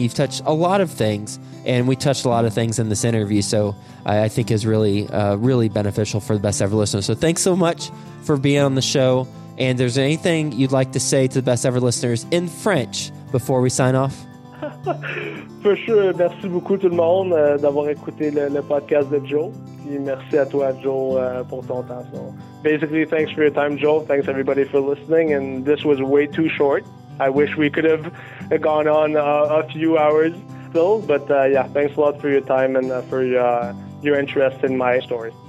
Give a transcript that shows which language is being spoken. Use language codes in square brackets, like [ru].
[en] You've touched a lot of things, and we touched a lot of things in this interview. So I think is really, really beneficial for the best ever listeners. So thanks so much for being on the show. And there's anything you'd like to say to the best ever listeners in French before we sign off? For sure. [fr] Merci beaucoup tout le monde d'avoir écouté le podcast de Joe. Puis merci à toi, Joe, pour ton temps. [en] So basically, thanks for your time, Joe. Thanks everybody for listening. And this was way too short. I wish we could have gone on a few hours still. But yeah, thanks a lot for your time and for your interest in my story.